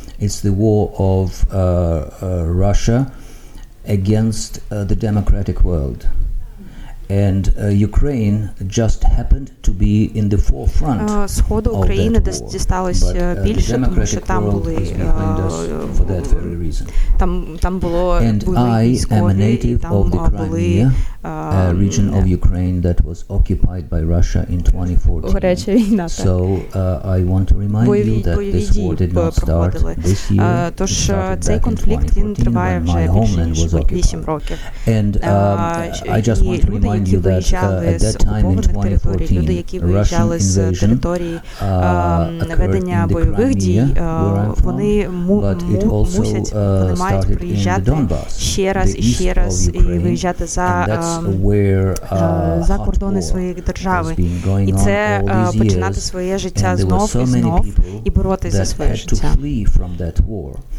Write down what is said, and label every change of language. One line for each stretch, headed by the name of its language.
English: It's the war of Russia against the democratic world. And Ukraine just happened to be in the forefront
Ukrainian: Сходу України десь дісталось більше, тому що там були
English: for that very reason.
Ukrainian: Там було військові, там були
English: a region of Ukraine that was occupied by Russia in 2014. So I want to remind you that this war did not start this year.
Ukrainian: Тож цей конфлікт він триває вже більше ніж 8 років.
English: And I just want to remind you that at that time in 2014, Russian invasion occurred in the Crimea, where I'm from, but it also started in the Donbass, the east of Ukraine, and that's where hardcore has been going on all these years, and there were so many people that had to flee from that war.